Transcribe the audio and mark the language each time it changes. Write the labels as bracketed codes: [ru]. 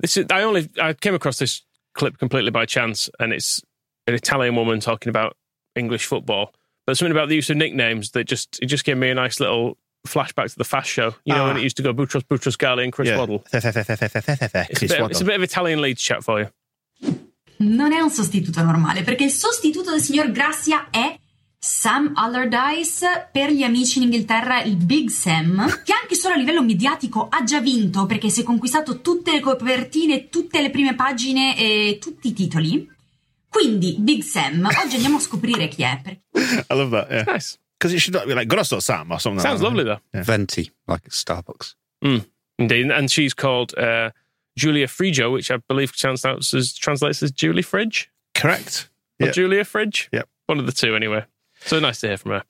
[en] I came across this clip completely by chance, and it's an Italian woman talking about English football. But something about the use of nicknames that just gave me a nice little flashback to the Fast Show. You know, when it used to go Boutros Ghali and Chris Waddle. It's a bit of Italian Leeds chat for you. [it] Non è un sostituto normale, perché il sostituto del signor Gracia è Sam Allardyce, per gli amici in Inghilterra il Big Sam, che anche solo a livello mediatico ha già vinto, perché si è conquistato tutte le copertine, tutte le prime pagine e tutti i titoli. Quindi, Big Sam, oggi andiamo a scoprire chi è. [en] I love that, yeah. It's nice. Because it should not be like Grosso Sam or something like that. Sounds lovely, though. Yeah. Venti, like at Starbucks. Mm, indeed, and she's called Julia Frigio, which I believe translates as Julie Fridge. Correct. Yep. Or Julia Fridge. Yep. One of the two, anyway. So nice to hear from her.